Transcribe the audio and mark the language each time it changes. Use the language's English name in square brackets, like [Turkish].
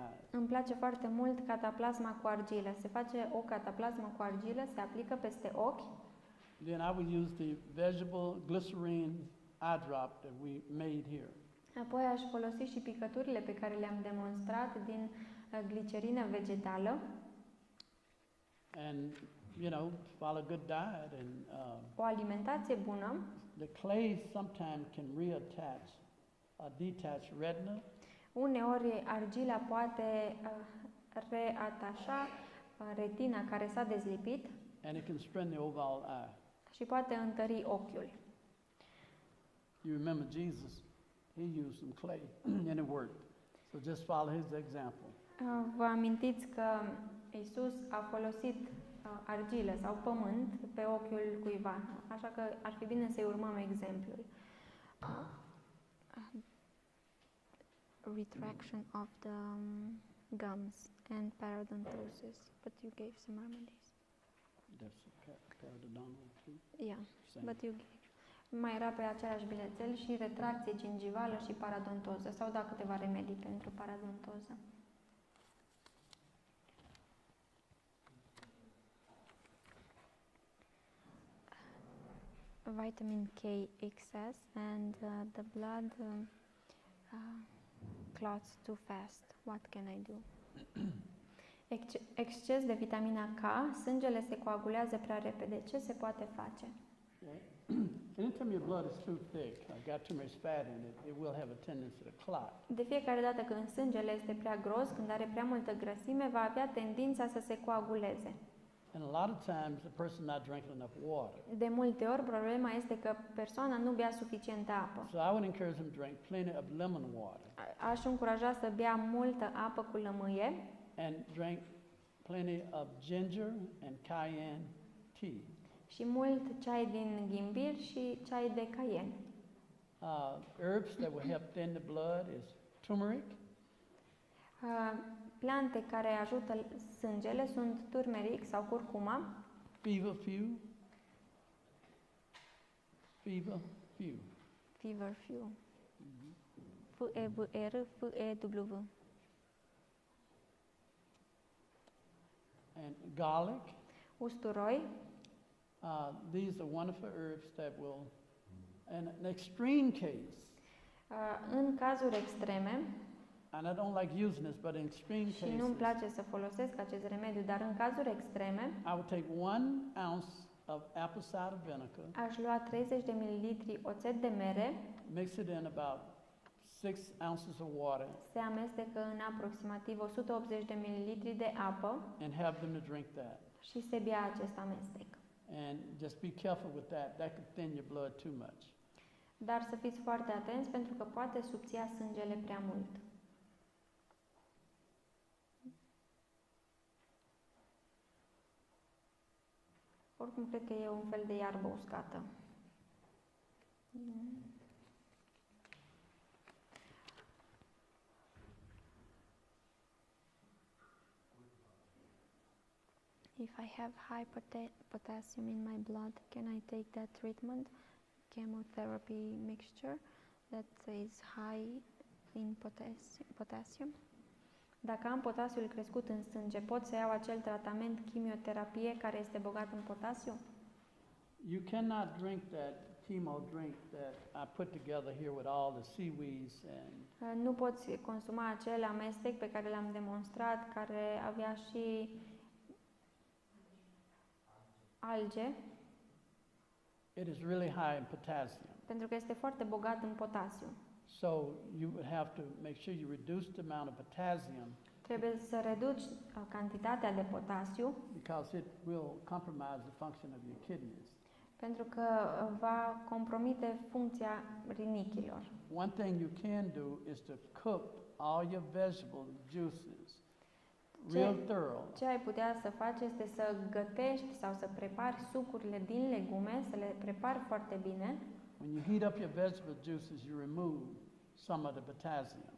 [Romanian] Îmi place foarte mult cataplasma cu argilă. Se face o cataplasmă cu argilă, se aplică peste ochi. [English] Then I would use the vegetable glycerin eye drop that we made here. [Romanian] Apoi aș folosi și picăturile pe care le-am demonstrat din glicerină vegetală. [English] And you know, follow a good diet and [Romanian] o alimentație bună. [English] The clay sometimes can reattach a detached retina. [Romanian] Uneori argila poate reatașa retina care s-a dezlipit. [English] And it can strengthen the oval eye. [Romanian] Și poate întări ochiul. [English] You remember Jesus, he used some clay and it worked. So just follow his example. [Romanian] Vă amintiți că Iisus a folosit argilă sau pământ pe ochiul cuiva. Așa că ar fi bine să-i urmăm exemplul. [English] Retraction of the gums and periodontosis, but you gave some remedies. That's periodontal too. Yeah, same. But you gave. [Romanian] Mai era pe același bilețel și retracție gingivală și paradontoză, sau da câteva remedii pentru paradontoză. [English] Vitamin K excess and the blood clots too fast. What can I do? [Romanian] Exces de vitamina K, sângele se coagulează prea repede. Ce se poate face? [English] Anytime your blood is too thick, I got too much fat in it, it will have a tendency to clot. [Romanian] De fiecare dată când sângele este prea gros, când are prea multă grăsime, va avea tendința să se coaguleze. [English] And a lot of times the person not drinking enough water. [Romanian] De multe ori problema este că persoana nu bea suficientă apă. [English] So I would encourage him to drink plenty of lemon water. [Romanian] Aș încuraja să bea multă apă cu lămâie. [English] And drink plenty of ginger and cayenne tea. [Romanian] Și mult ceai din ghimbir și ceai de cayenne. [English] Herbs that will help thin the blood is turmeric. [Romanian] Plante care ajută sângele sunt turmeric sau curcuma. [English] Feverfew. Feverfew. Feverfew. Feverfew. And garlic. [Romanian] Usturoi. [English] These are wonderful herbs that will, in an extreme case. [Romanian] În cazuri extreme. [English] And I don't like using this, but in extreme cases. [Romanian] Și nu-mi place să folosesc acest remediu, dar în cazuri extreme. [English] I would take 1 ounce of apple cider vinegar. [Romanian] Aș lua 30 de mililitri oțet de mere. [English] Mix it in about 6 ounces of water. [Romanian] Se amestecă în aproximativ 180 de mililitri de apă. [English] And have them to drink that. [Romanian] Și se bea acest amestec. [English] And just be careful with that. That could thin your blood too much. [Romanian] Dar să fiți foarte atenți pentru că poate subția sângele prea mult. Oricum, cred că e un fel de iarbă uscată. [English] If I have high potassium in my blood, can I take that treatment, chemotherapy mixture, that is high in potassium? [Romanian] Dacă am potasiul crescut în sânge, pot să iau acel tratament chimioterapie care este bogat în potasiu? [English] You cannot drink that chemo drink that I put together here with all the seaweeds and. [Romanian] Nu poți consuma acel amestec pe care l-am demonstrat, care avea și alge. [English] It is really high in potassium. [Romanian] Pentru că este foarte bogat în potasiu. [English] So you would have to make sure you reduce the amount of potassium. [Romanian] Trebuie să reduci cantitatea de potasiu. [English] Because it will compromise the function of your kidneys. [Romanian] Pentru că va compromite funcția rinichilor. [English] One thing you can do is to cook all your vegetable juices real thorough. [Romanian] Ce ai putea să faci este să gătești sau să prepari sucurile din legume, să le prepari foarte bine. [English] When you heat up your vegetable juices, you remove some of the potassium.